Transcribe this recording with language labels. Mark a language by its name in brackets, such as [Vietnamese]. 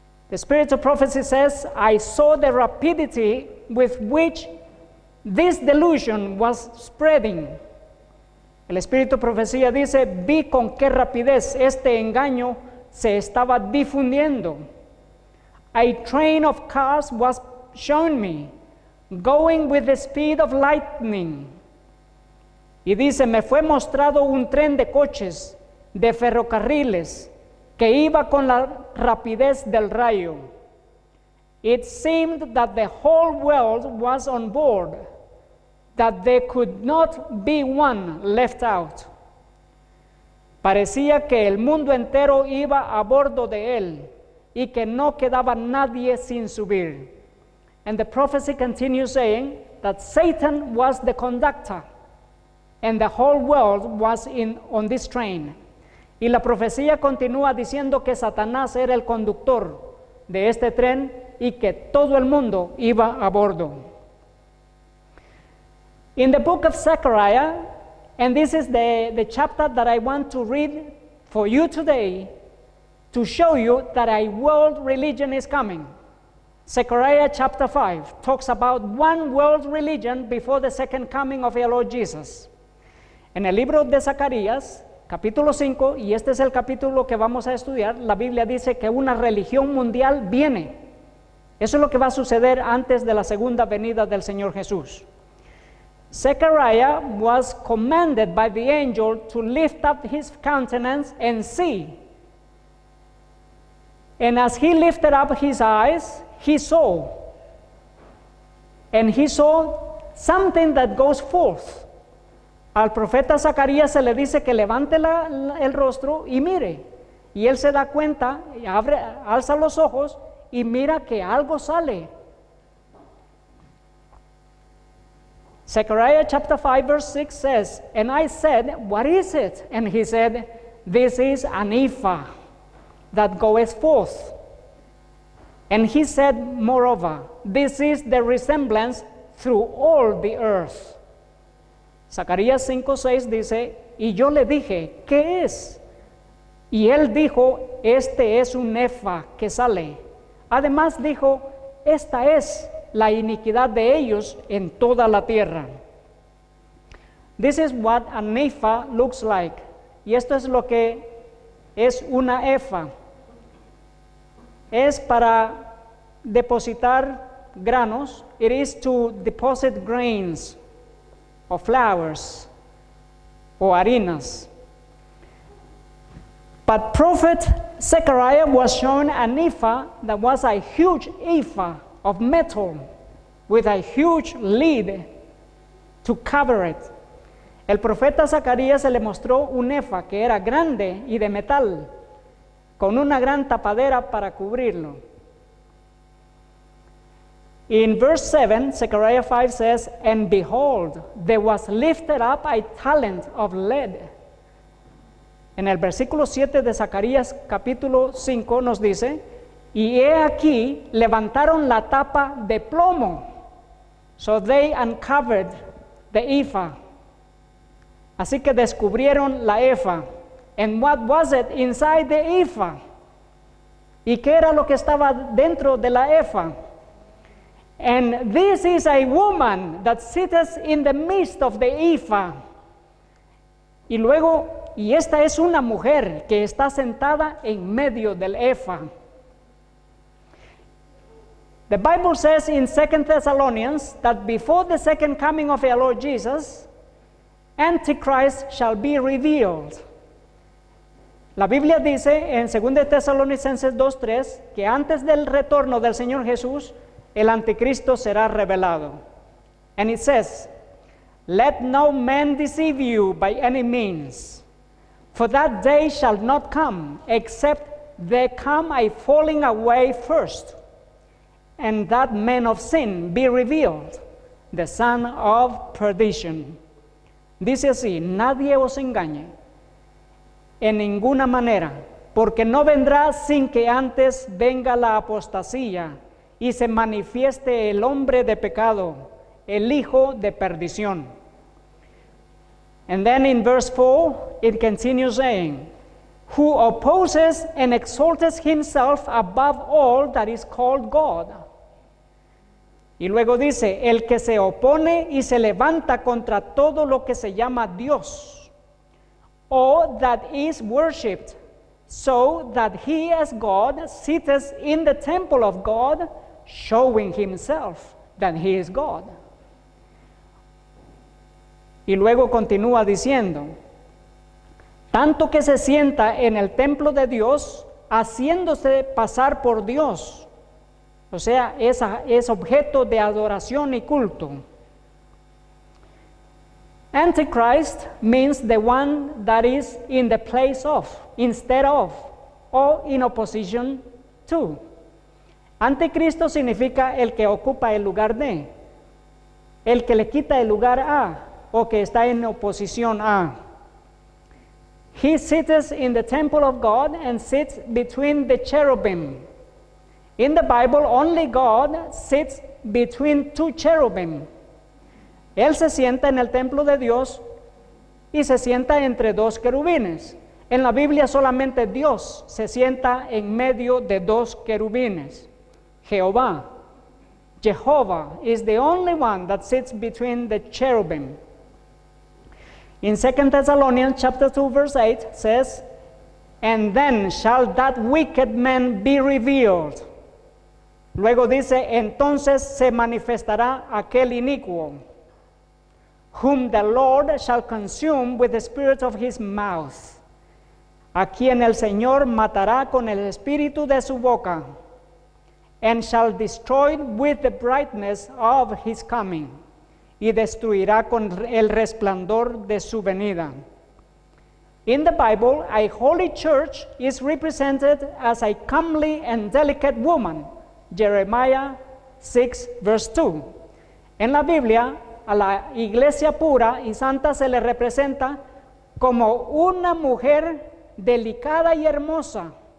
[English] The spirit of prophecy says, I saw the rapidity with which this delusion was spreading. [Spanish] El espíritu de profecía dice, vi con qué rapidez este engaño se estaba difundiendo. [English] A train of cars was shown me, going with the speed of lightning. [Spanish] Y dice, me fue mostrado un tren de coches, de ferrocarriles, que iba con la rapidez del rayo. [English] It seemed that the whole world was on board, that there could not be one left out. [Spanish] Parecía que el mundo entero iba a bordo de él y que no quedaba nadie sin subir. [English] And the prophecy continues saying that Satan was the conductor and the whole world was on this train. [Spanish] Y la profecía continúa diciendo que Satanás era el conductor de este tren y que todo el mundo iba a bordo. [English] In the book of Zechariah, and this is the chapter that I want to read for you today to show you that a world religion is coming. Zechariah chapter 5 talks about one world religion before the second coming of our Lord Jesus. [Spanish] En el libro de Zacarías, capítulo 5, y este es el capítulo que vamos a estudiar, la Biblia dice que una religión mundial viene. Eso es lo que va a suceder antes de la segunda venida del Señor Jesús. [English] Zechariah was commanded by the angel to lift up his countenance and see. And as he lifted up his eyes, he saw. And he saw something that goes forth. [Spanish] Al profeta Zacarías se le dice que levante el rostro y mire. Y él se da cuenta, y alza los ojos y mira que algo sale. [English] Zechariah chapter 5 verse 6 says, and I said, what is it? And he said, this is an ephah that goeth forth. And he said, moreover, this is the resemblance through all the earth. [Spanish] Zacarías 5, 6 dice, y yo le dije, ¿qué es? Y él dijo, este es un ephah que sale. Además dijo, esta es la iniquidad de ellos en toda la tierra. [English] This is what an ephah looks like. [Spanish] Y esto es lo que es una ephah. Es para depositar granos. [English] It is to deposit grains or flowers or harinas. But prophet Zechariah was shown an ephah that was a huge ephah of metal with a huge lid to cover it. [Spanish] El profeta Zacarías se le mostró un ephah que era grande y de metal, con una gran tapadera para cubrirlo. [English] In verse 7, Zechariah 5 says, and behold, there was lifted up a talent of lead. [Spanish] En el versículo 7 de Zacarías capítulo 5 nos dice, y he aquí, levantaron la tapa de plomo. [English] So they uncovered the ephah. [Spanish] Así que descubrieron la ephah. [English] And what was it inside the ephah? [Spanish] ¿Y qué era lo que estaba dentro de la ephah? [English] And this is a woman that sits in the midst of the ephah. [Spanish] Y luego, y esta es una mujer que está sentada en medio del ephah. [English] The Bible says in 2 Thessalonians that before the second coming of our Lord Jesus, Antichrist shall be revealed. [Spanish] La Biblia dice en 2 Tesalonicenses 2:3 que antes del retorno del Señor Jesús, el anticristo será revelado. [English] And it says, let no man deceive you by any means, for that day shall not come, except there come a falling away first, and that man of sin be revealed, the son of perdition. [Spanish] Dice así, nadie os engañe en ninguna manera, porque no vendrá sin que antes venga la apostasía y se manifieste el hombre de pecado, el hijo de perdición. [English] And then in verse 4, it continues saying, who opposes and exalts himself above all that is called God. [Spanish] Y luego dice, el que se opone y se levanta contra todo lo que se llama Dios, o [English] that is worshipped, so that he as God sits in the temple of God, showing himself that he is God. [Spanish] Y luego continúa diciendo, tanto que se sienta en el templo de Dios, haciéndose pasar por Dios. O sea, es objeto de adoración y culto. [English] Antichrist means the one that is in the place of, instead of, or in opposition to. [Spanish] Anticristo significa el que ocupa el lugar de, el que le quita el lugar a, o que está en oposición a. [English] He sits in the temple of God and sits between the cherubim. In the Bible, only God sits between two cherubim. [Spanish] Él se sienta en el templo de Dios y se sienta entre dos querubines. En la Biblia solamente Dios se sienta en medio de dos querubines. Jehová. [English] Jehovah is the only one that sits between the cherubim. In 2 Thessalonians chapter 2 verse 8 says, and then shall that wicked man be revealed. [Spanish] Luego dice, entonces se manifestará aquel inicuo, [English] whom the Lord shall consume with the spirit of his mouth, [Spanish] a quien el Señor matará con el espíritu de su boca, [English] and shall destroy with the brightness of his coming, [Spanish] y destruirá con el resplandor de su venida. [English] In the Bible, a holy church is represented as a comely and delicate woman, Jeremiah 6, verse 2. [Spanish] En la Biblia, a la iglesia pura y santa se le representa como una mujer delicada y hermosa.